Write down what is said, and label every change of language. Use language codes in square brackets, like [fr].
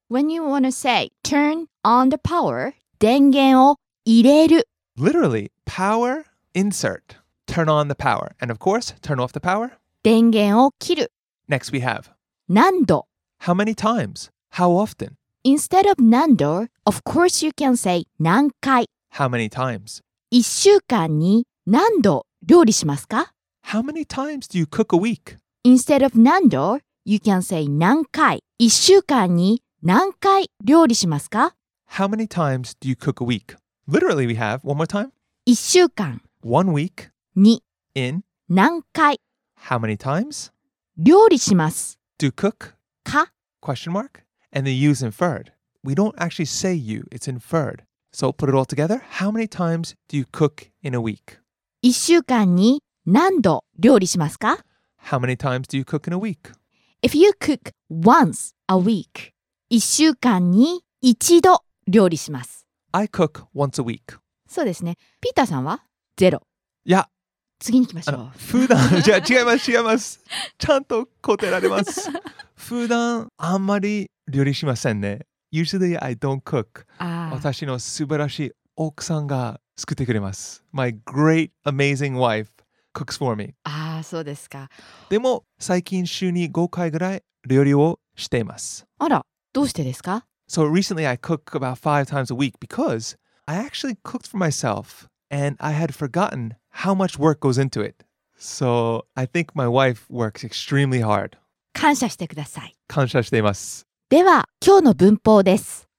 [en] When you want to say, turn on the power, [ja] 電源を入れる [en] Literally, power, insert. Turn on the power. And of course, turn off the power. [ja] 電源を切る [en] Next we have. [ja] 何度 [en] How many times? How often? Instead of 何度 of course you can say 何回 How many times? [ja] 一週間に何度料理しますか [en] How many times do you cook a week? Instead of 何度 you can say 何回 [ja] 一週間に何回料理しますか [en] How many times do you cook a week? Literally, we have, one more time. [ja] 一週間 [en] One week. [ja] に [en] In. [ja] 何回 [en] How many times? [ja] 料理します [en] Do cook? [ja] か [en] Question mark? And the use inferred. We don't actually say you, it's inferred. So put it all together. How many times do you cook in a week? [ja] 一週間に何度料理しますか [en] How many times do you cook in a week? If you cook once a week, [ja] 一週間に一度料理します [en] I cook once a week. [ja] そうですね。ピーターさんはゼロ。いや。次に行きましょう。普段、じゃあ違います、違います。ちゃんと答えられます。普段、あんまり料理しませんね。 [en] Usually I don't cook. [ja] あ私の素晴らしい奥さんが作ってくれます。 [en] My great amazing wife cooks for me. [ja] ああ、そうですか。でも、最近週に5回ぐらい料理をしています。あら、どうしてですか [en] So recently I cook about 5 times a week because I actually cooked for myself and I had forgotten how much work goes into it. So I think my wife works extremely hard. [ja] 感謝してください。感謝しています。では、今日の文法です。